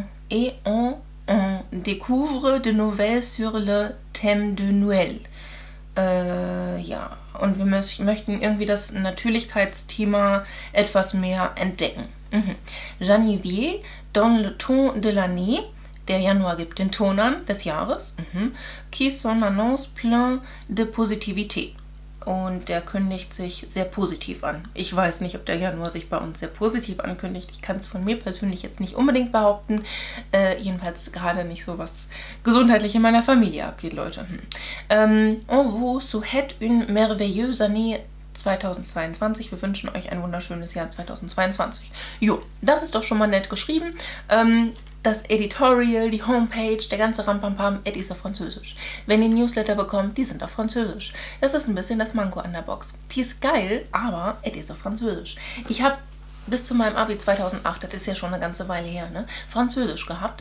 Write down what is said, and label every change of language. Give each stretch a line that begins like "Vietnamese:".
French: Et on découvre de nouvelles sur le thème de Noël.
German: Ja, und wir möchten irgendwie das Natürlichkeitsthema etwas mehr entdecken. Mhm.
French: Janvier donne le ton de l'année.
German: Der Januar gibt den Ton an des Jahres. Mhm.
French: Qui son annonce plein de positivité.
German: und der kündigt sich sehr positiv an. Ich weiß nicht, ob der Januar sich bei uns sehr positiv ankündigt. Ich kann es von mir persönlich jetzt nicht unbedingt behaupten. Jedenfalls gerade nicht so, was gesundheitlich in meiner Familie abgeht, Leute.
French: En vous souhaite une merveilleuse année 2022.
German: Wir wünschen euch ein wunderschönes Jahr 2022. Jo, das ist doch schon mal nett geschrieben. Das Editorial, die Homepage, der ganze Rampampam, Eddie ist auf Französisch. Wenn ihr Newsletter bekommt, die sind auf Französisch. Das ist ein bisschen das Manko an der Box. Die ist geil, aber Eddie ist auf Französisch. Ich habe bis zu meinem Abi 2008, das ist ja schon eine ganze Weile her, ne, Französisch gehabt.